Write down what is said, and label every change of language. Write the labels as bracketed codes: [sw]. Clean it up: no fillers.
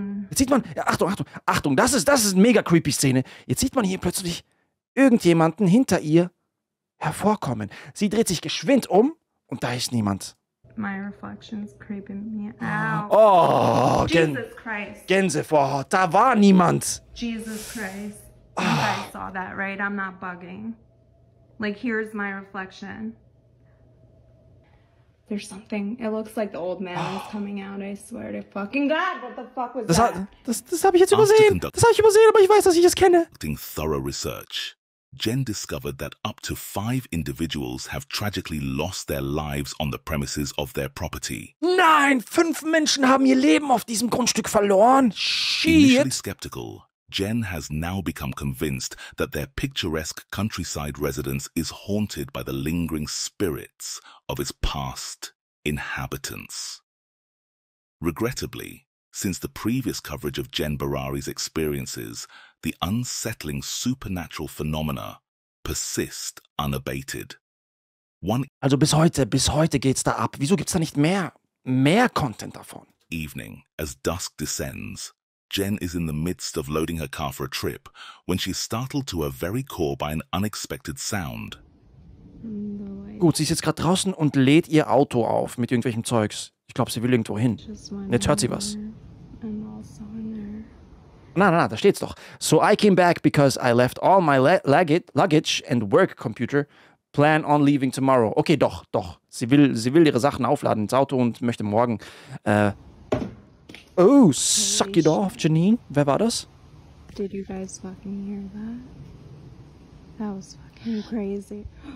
[de] Jetzt sieht man, Achtung, Achtung, Achtung, das ist eine mega creepy Szene. Jetzt sieht man hier plötzlich irgendjemanden hinter ihr hervorkommen. Sie dreht sich geschwind um und da ist niemand. [en] My reflection's creeping me out. Jesus Christ. [de] Gänsehaut, da war niemand. [en] Jesus Christ. You guys saw that, right? I'm not bugging. Like, here's my reflection. There's something. It looks like the old man is coming out. I swear to fucking God, what the fuck was that? [de] Das habe ich jetzt übersehen. Das habe ich übersehen, aber ich weiß, dass ich es kenne. [en] Doing thorough research, Jen discovered that up to 5 individuals have tragically lost their lives on the premises of their property. [de] Nein, 5 Menschen haben ihr Leben auf diesem Grundstück verloren. [en] Shit. Initially skeptical, Jen has now become convinced that their picturesque countryside residence is haunted by the lingering spirits of its past inhabitants. Regrettably, since the previous coverage of Jen Barari's experiences, the unsettling supernatural phenomena persist unabated. [de] Also bis heute geht's da ab. Wieso gibt's da nicht mehr Content davon? [en] Evening, as dusk descends, Jen is in the midst of loading her car for a trip when she's startled to her very core by an unexpected sound. [de] Gut, sie ist jetzt gerade draußen und lädt ihr Auto auf mit irgendwelchem Zeugs. Ich glaube, sie will irgendwo hin. Jetzt hört sie was. Nein, da steht's doch. [en] So I came back because I left all my luggage and work computer. Plan on leaving tomorrow. [de] Okay, doch. Sie will ihre Sachen aufladen ins Auto und möchte morgen. [en] Oh, suck it off, Janine. [de] Wer war das? [en] Did you guys fucking hear that? That was fucking crazy.